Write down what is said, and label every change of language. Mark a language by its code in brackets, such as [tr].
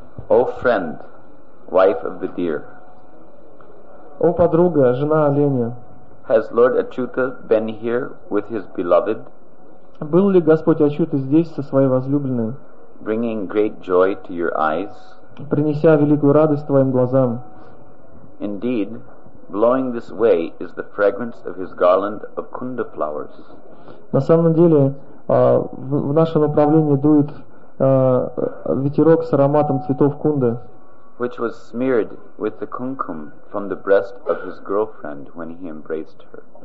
[en] O friend, wife of the deer. [ru] О, подруга, жена оленя. [en] Has Lord Achyuta been here with his beloved? [ru] Был ли Господь Ачюта здесь со своей возлюбленной? [en] Bringing great joy to your eyes. [ru] Принеся великую радость твоим глазам. [en] Indeed, blowing this way is the fragrance of his garland of kunda flowers. [ru] На самом деле, в наше направление дует ветерок с ароматом цветов кунды. [en] Which was smeared with the kumkum from the breast of his girlfriend when he embraced her.